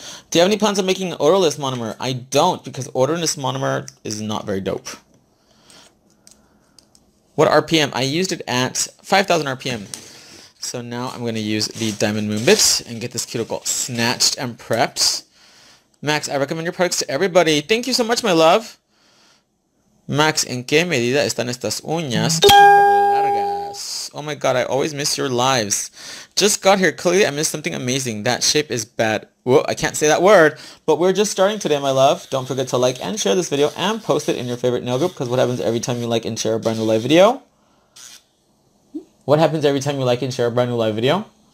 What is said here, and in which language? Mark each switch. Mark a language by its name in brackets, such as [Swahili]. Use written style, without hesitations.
[English] Do you have any plans on making an odorless monomer? I don't, because odorless monomer is not very dope. What RPM? I used it at 5,000 RPM. So now I'm going to use the Diamond Moon Bits and get this cuticle snatched and prepped. Max, I recommend your products to everybody. Thank you so much, my love. [Spanish] Max, ¿en qué medida están estas uñas super largas? [English] Oh my god, I always miss your lives. Just got here. Clearly, I missed something amazing. That shape is bad. Whoa, I can't say that word, but we're just starting today, my love. Don't forget to like and share this video and post it in your favorite nail group, because what happens every time you like and share a brand new live video? What happens every time you like and share a brand new live video?